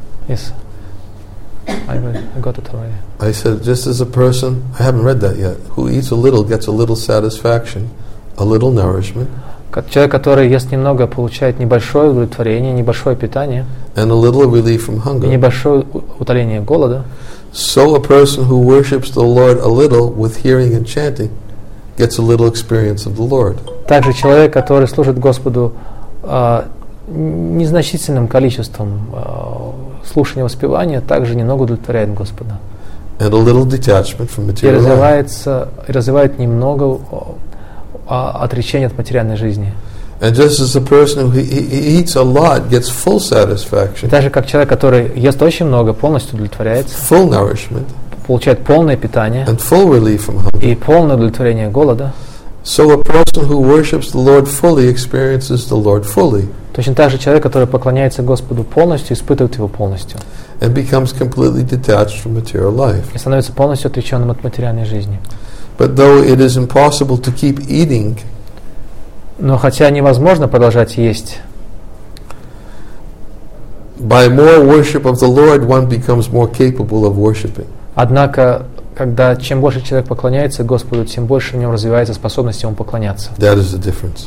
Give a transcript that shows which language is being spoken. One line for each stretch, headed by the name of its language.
English: Yes. I got it already. I said, just as a person, I haven't read that yet, who eats a little gets a little satisfaction, a little nourishment.
Russian: Человек, который ест немного, получает небольшое удовлетворение, небольшое питание.
English: And a little relief from hunger.
Russian: Небольшое утоление голода.
English: So a person who worships the Lord a little with hearing and chanting gets a little experience of the Lord.
Russian: Также человек, который служит Господу незначительным количеством слушания, воспевания, также немного удовлетворяет Господа.
English: And a little detachment from material life.
Russian: И развивает немного отречения от материальной жизни.
English: And just as a person who eats a lot gets full satisfaction.
Russian: Даже как человек, который ест очень много, полностью удовлетворяется.
English: Full nourishment.
Russian: Получает полное питание.
English: And full relief from hunger.
Russian: И полное удовлетворение голода.
English: So a person who worships the Lord fully experiences the Lord fully.
Russian: Точно так же человек, который поклоняется Господу полностью, испытывает его полностью.
English: And becomes completely detached from material life.
Russian: И становится полностью отреченным от материальной жизни.
English: But though it is impossible to keep eating,
Russian: но хотя невозможно продолжать есть,
English: by more worship of the Lord, one becomes more capable of worshiping.
Russian: Однако, когда чем больше человек поклоняется Господу, тем больше в нем развивается способность ему поклоняться.
English: That is the difference.